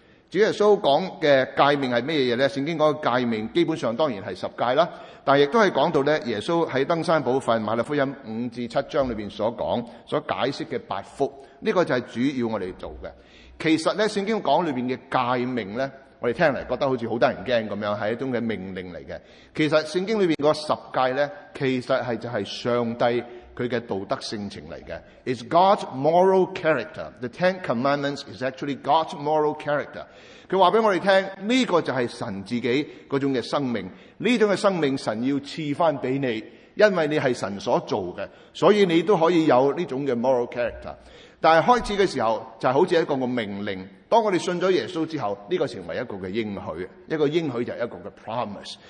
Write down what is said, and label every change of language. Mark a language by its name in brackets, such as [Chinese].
[Chinese] 主耶稣讲的诫命是什么呢？圣经讲的诫命基本上当然是十诫啦，但亦都是讲到耶稣在登山宝训马勒福音五至七章里面所讲所解释的八福，这个就是主要我们做的。其实圣经讲里面的诫命呢，我们听来觉得好像很多人怕，样是一种的命令来的。其实圣经里面的十诫呢，其实是就是上帝他的道德性情来的。 [English] It's God's moral character. The Ten Commandments is actually God's moral character. [Chinese] 他告诉我们，这个就是神自己那种的生命。这种的生命神要赐回给你，因为你是神所做的，所以你都可以有这种的 [English] moral character。 [Chinese] 但是开始的时候就是好像一个命令，当我们信了耶稣之后，这个成为一个的应许，一个应许就是一个的 promise。